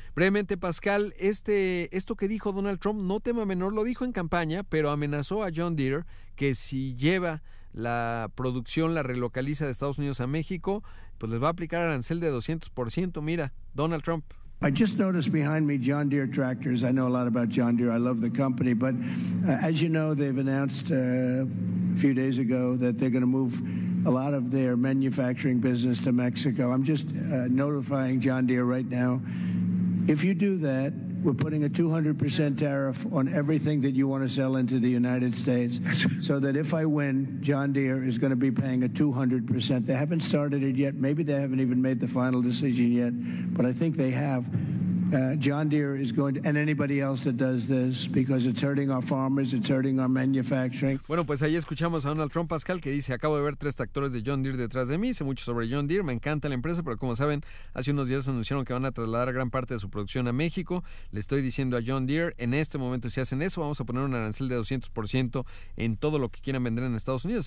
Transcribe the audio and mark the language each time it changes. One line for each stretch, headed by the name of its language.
Spanish: Brevemente, Pascal, esto que dijo Donald Trump, no tema menor, lo dijo en campaña, pero amenazó a John Deere que si lleva la producción, la relocaliza de Estados Unidos a México, pues les va a aplicar arancel de 200%, mira, Donald Trump.
English: I just noticed behind me John Deere tractors. I know a lot about John Deere. I love the company. But as you know, they've announced a few days ago that they're going to move a lot of their manufacturing business to Mexico. I'm just notifying John Deere right now. If you do that, we're putting a 200% tariff on everything that you want to sell into the United States, so that if I win, John Deere is going to be paying a 200%. They haven't started it yet. Maybe they haven't even made the final decision yet, but I think they have. John Deere is going to, and anybody else that does this, because it's hurting our farmers, it's hurting our manufacturing.
Spanish: Bueno, pues ahí escuchamos a Donald Trump, Pascal, que dice: acabo de ver tres tractores de John Deere detrás de mí. Sé mucho sobre John Deere, me encanta la empresa, pero como saben, hace unos días anunciaron que van a trasladar gran parte de su producción a México. Le estoy diciendo a John Deere, en este momento, si hacen eso, vamos a poner un arancel de 200% en todo lo que quieran vender en Estados Unidos.